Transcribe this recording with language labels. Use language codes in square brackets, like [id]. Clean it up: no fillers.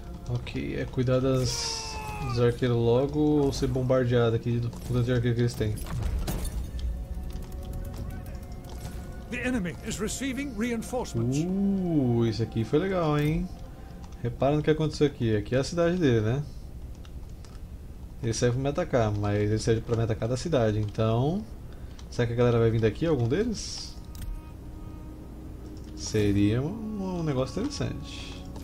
[pt] Ok, é cuidar dos arqueiros logo ou ser bombardeado aqui do tanto de arqueiro que eles têm. [en] The enemy is receiving reinforcements. [pt] Isso aqui foi legal, hein? Repara no que aconteceu aqui. Aqui é a cidade dele, né? Ele serve pra me atacar, mas ele serve pra me atacar da cidade, então. Será que a galera vai vir daqui, algum deles? Seria um negócio interessante.